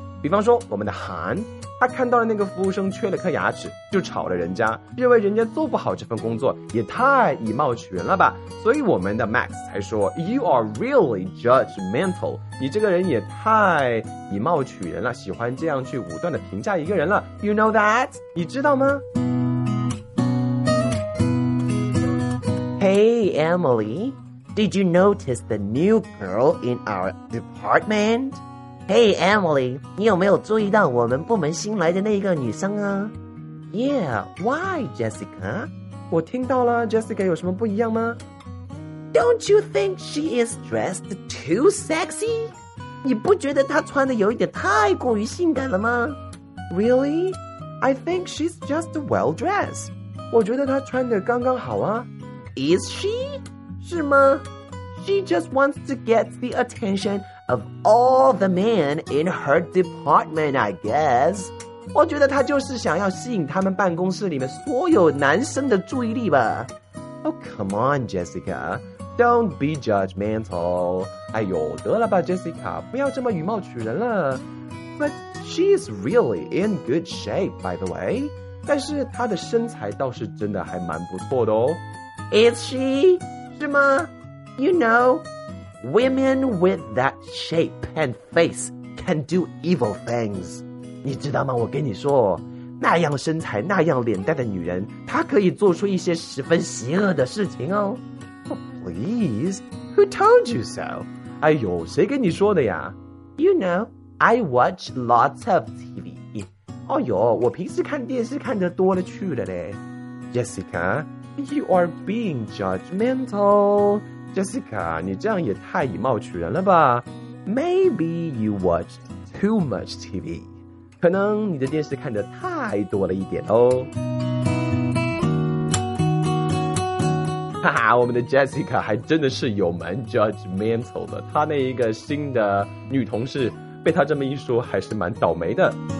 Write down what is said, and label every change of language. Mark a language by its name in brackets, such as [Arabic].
[Chinese] 比方说我们的韩，他看到了那个服务生缺了颗牙齿就吵了人家，认为人家做不好这份工作也太以貌取人了吧，所以我们的 Max 才说 You are really judgmental，你这个人也太以貌取人了，喜欢这样去武断的评价一个人了， You know that？你知道吗？ [English] Hey, Emily, did you notice the new girl in our department? [Chinese] Hey Emily, 你有没有注意到我们部门新来的那一个女生啊？ [English] Yeah, why Jessica? [Chinese] 我听到了， Jessica 有什么不一样吗？ [English] Don't you think she is dressed too sexy? [Chinese] 你不觉得她穿得有一点太过于性感了吗？ [English] Really? I think she's just well dressed. [Chinese] 我觉得她穿得刚刚好啊。 [English] Is she? 是吗？ She just wants to get the attention of all the men in her department, I guess. [Chinese] 我觉得她就是想要吸引他们办公室里面所有男生的注意力吧。 [English] Oh, come on, Jessica. Don't be judgmental. [Chinese] 哎呦，得了吧 ,Jessica, 不要这么以貌取人了。 [English] But she is really in good shape, by the way. [Chinese] 但是她的身材倒是真的还蛮不错的哦。 [English] Is she? 是吗？ You know, women with that shape and face can do evil things. [Chinese] 你知道吗？我跟你说，那样身材、那样脸蛋的女人，她可以做出一些十分邪恶的事情哦。 [English] Oh, please, who told you so? [Chinese] 哎呦，谁跟你说的呀？ [English] You know, I watch lots of TV. [Chinese] 哦呦，我平时看电视看得多了去了嘞。 [English] Jessica, you are being judgmental. [Chinese] Jessica, 你这样也太以貌取人了吧。 [English] Maybe you watched too much TV. [Chinese] 可能你的电视看得太多了一点哦。哈哈，我们的 Jessica 还真的是有蛮 judgmental 的。她那一个新的女同事被她这么一说还是蛮倒霉的。